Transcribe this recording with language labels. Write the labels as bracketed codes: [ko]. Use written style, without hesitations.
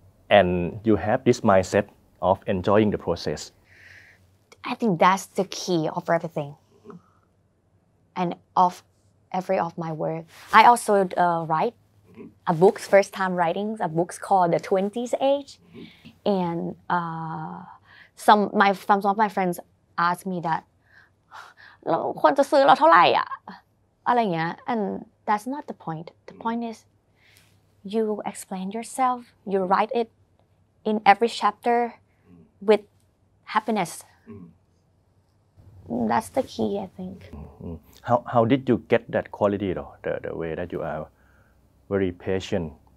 [en] And you have this mindset of enjoying the process. I think that's the key of everything. And of every of my work. I also write a book, first time writing a book called The 20s Age. And some of my friends asked me that, [th] ควรจะซื้อเราเท่าไหร่อะ อะไรเงี้ย [en] and that's not the point. The point is you explain yourself, you write it in every chapter with happiness. That's the key, I think. How did you get that quality though, the way that you are very patient?